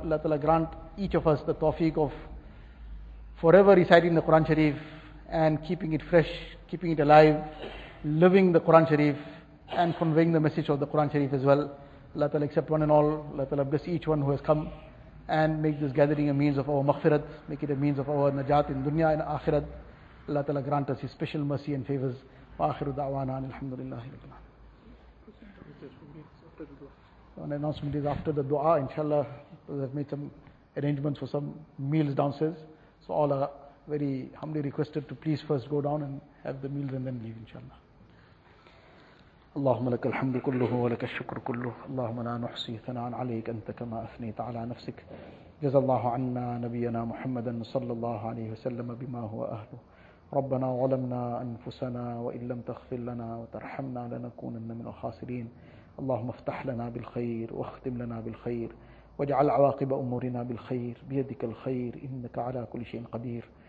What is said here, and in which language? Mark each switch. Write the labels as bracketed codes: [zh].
[en] Allah Ta'ala grant each of us the tawfiq of forever reciting the Quran Sharif and keeping it fresh, keeping it alive, living the Quran Sharif and conveying the message of the Quran Sharif as well. Allah Ta'ala accept one and all. Allah Ta'ala bless each one who has come and make this gathering a means of our maghfirat, make it a means of our najat in dunya and akhirat. Allah Ta'ala grant us His special mercy and favors. [ar] وآخر دعوانا أن الحمد لله رب العالمين. [en] So an announcement is after the dua, inshallah, we have made some arrangements for some meals downstairs. So all are very humbly requested to please first go down and have the meal and then leave, inshallah. [ar] اللهم لك الحمد كله ولك الشكر كله اللهم لا نحصي ثناء عليك أنت كما أثنيت على نفسك جزى الله عنا نبينا محمدا صلى الله عليه وسلم بما هو أهله ربنا ظلمنا أنفسنا وإن لم تغفر لنا وترحمنا لنكونن من الخاسرين اللهم افتح لنا بالخير واختم لنا بالخير واجعل عواقب أمورنا بالخير بيدك الخير إنك على كل شيء قدير